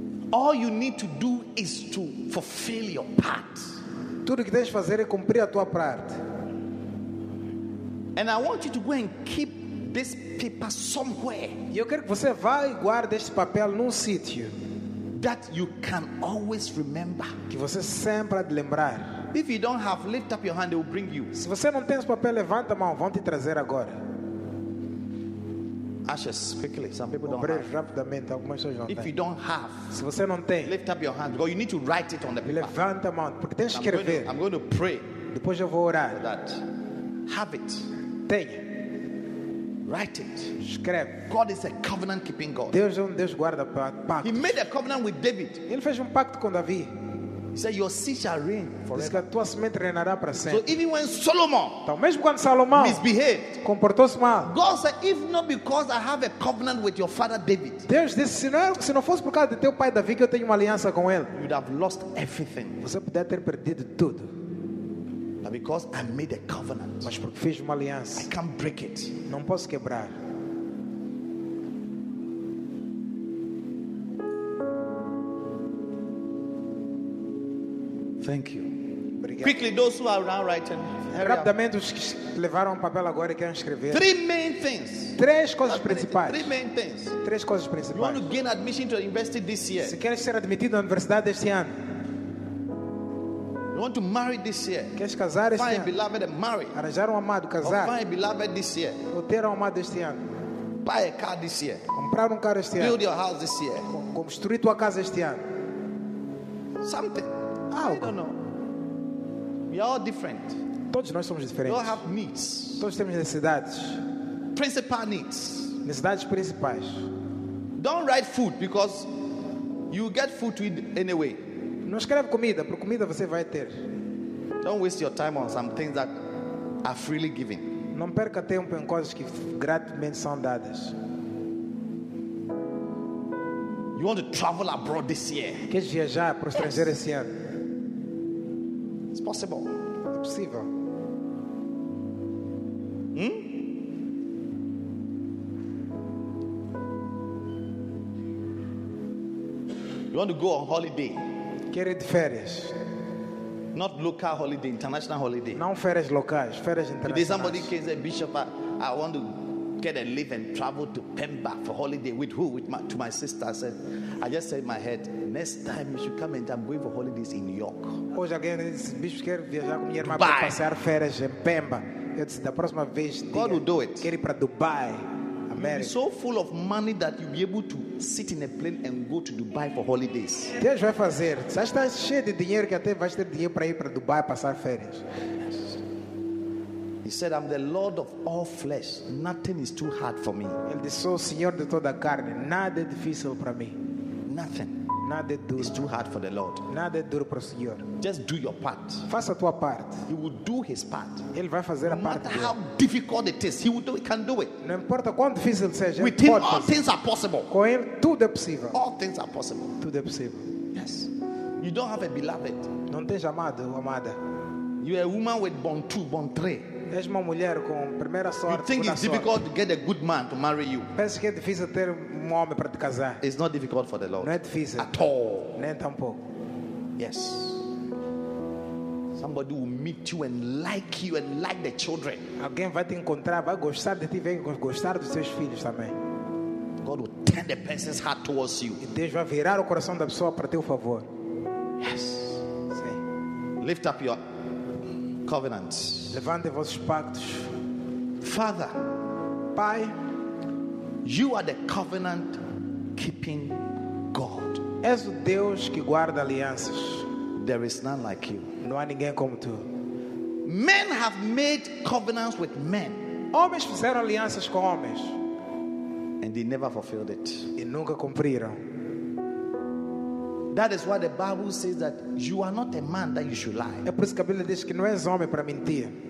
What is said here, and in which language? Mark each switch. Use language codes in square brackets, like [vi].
[en] All you need to do is to fulfill your part. [pt] Tudo que tens de fazer é cumprir a tua parte. [en] And I want you to go and keep this paper somewhere. [pt] Eu quero que você vá e guarde este papel num sítio. [en] That you can always remember. [pt] Que você sempre há de lembrar. [en] If you don't have, lift up your hand, they will bring you. [pt] Se você não tem esse papel, levanta a mão, vão te trazer agora. [en] Ashes, quickly. Some people don't have. [pt] Rapidamente, algumas pessoas não têm. [en] If you don't have, [pt] se você não tem, [en] lift up your hand. Go, you need to write it on the paper. [pt] Levanta a mão, porque tens de escrever. [en] I'm going to pray. [pt] Depois eu vou orar. [en] That. Have it. [pt] Tenha. [en] Write it. [pt] Escreve. [en] God is a covenant keeping God. [pt] Deus é Deus guarda pacto. [en] He made a covenant with David. [pt] Ele fez pacto com Davi. [en] He said, "Your seed shall reign forever." [pt] Diz que a tua semente reinará para sempre. [en] So even when Solomon, [pt] então mesmo quando Salomão [en] misbehaved, [pt] comportou-se mal, [en] God said, "If not because I have a covenant with your father David." [pt] Deus disse, se não fosse por causa de teu pai Davi que eu tenho uma aliança com ele, [en] you'd have lost everything. [pt] Você poderia ter perdido tudo. [en] But because I made a covenant, [pt] mas porque fiz uma aliança, [en] I can't break it. [pt] Não posso quebrar. [en] Thank you. [pt] Obrigado. [en] Quickly, those who are now writing. [pt] Rapidamente, os que levaram um papel agora e querem escrever. [en] Three main things. [pt] Três coisas principais. [en] Three main things. [pt] Três coisas principais. [en] You want to gain admission to a university this year. [pt] Se queres ser admitido na universidade este ano. [en] You want to marry this year. [pt] Queres casar este [en] find [pt] ano. [en] A beloved and marry. [pt] Arranjar um amado, casar. [en] Or find a beloved this year. [pt] Ou ter um amado este ano. [en] Buy a car this year. [pt] Comprar um carro este [en] build [pt] ano. [en] Build your house this year. [pt] Construir tua casa este ano. [en] Something. [pt] Algo. [en] I don't know. We are all different. [pt] Todos nós somos diferentes. [en] We all have needs. [pt] Todos temos necessidades. [en] Principal needs. [pt] Necessidades principais. [en] Don't write food because you get food to eat anyway. [pt] Não escreve comida, porque comida você vai ter. [en] Don't waste your time on some things that are freely given. [pt] Não perca tempo em coisas que gratuitamente são dadas. [en] You want to travel abroad this year? [pt] Queres viajar para o estrangeiro esse ano? [en] It's possible. [pt] É possível. [en] You want to go on holiday? [pt] Quer ir de férias? [en] Not local holiday, international holiday. [pt] Não férias locais, férias internacionais. [en] If somebody came say, "Bishop, I want to get a leave and travel to Pemba for holiday with who? With my, to my sister." I said, I just said in my head, next time you should come and I'm going for holidays in New York. [pt] Hoje alguém disse, "Bishop, quer viajar com minha irmã para passar férias em Pemba." Eu disse, da próxima vez, [en] God will do it. [pt] Quer ir para Dubai. [en] You'll be so full of money that you'll be able to sit in a plane and go to Dubai for holidays. [pt] Deus vai fazer. Você está cheio de dinheiro que até vai ter dinheiro para ir para Dubai passar férias. [en] He said, "I'm the Lord of all flesh. Nothing is too hard for me." [pt] Ele disse, "Sou o Senhor de toda a carne. Nada é difícil para mim." [en] Nothing. [pt] Nada é duro. [en] It's too hard for the Lord. [pt] Nada é duro para o Senhor. [en] Just do your part. [pt] Faça a tua parte. [en] He will do his part. [pt] Ele vai fazer a parte. [en] No matter how difficult it is, he will do it. Can do it. [pt] Não importa quão difícil seja. [en] With him, all things are possible. [pt] Com ele, tudo é possível. [en] All things are possible. [pt] Tudo é possível. [en] Yes. You don't have a beloved. [pt] Não tens amado ou amada. [en] You are a woman with bon two, bon three. [pt] És uma mulher com primeira sorte. [en] You think it's difficult to get a good man to marry you? [pt] Pensa que é difícil ter um homem para te casar? [en] It's not difficult for the Lord. [pt] Não é difícil. [en] At all. [pt] Nem tampouco. [en] Yes. Somebody will meet you and like the children. [pt] Alguém vai te encontrar, vai gostar de ti, vai gostar dos seus filhos também. [en] God will turn the person's heart towards you. [pt] E Deus vai virar o coração da pessoa para teu favor. [en] Yes. [pt] Sim. [en] Lift up your covenants. [pt] Levante vossos pactos. [en] Father, [pt] Pai, [en] you are the covenant keeping God. [pt] És o Deus que guarda alianças. [en] There is none like you. [pt] Não há ninguém como tu. [en] Men have made covenants with men. [pt] Homens fizeram alianças com homens. [en] And they never fulfilled it. [pt] E nunca cumpriram. [en] That is why the Bible says that you are not a man that you should lie. [pt] É por isso que a Bíblia diz que não és homem para mentir.